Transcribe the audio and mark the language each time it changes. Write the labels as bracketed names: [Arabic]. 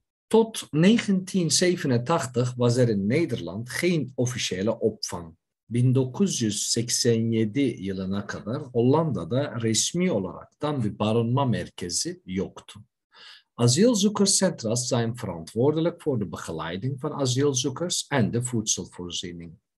[Dutch] Tot 1987 was er in Nederland geen officiële opvang. [Turkish] 1987 yılına kadar Hollanda'da resmi olaraktan bir barınma merkezi yoktu. [Dutch] Asylzoekers Centras zijn verantwoordelijk voor de begeleiding van asylzoekers en de voedselvoorziening.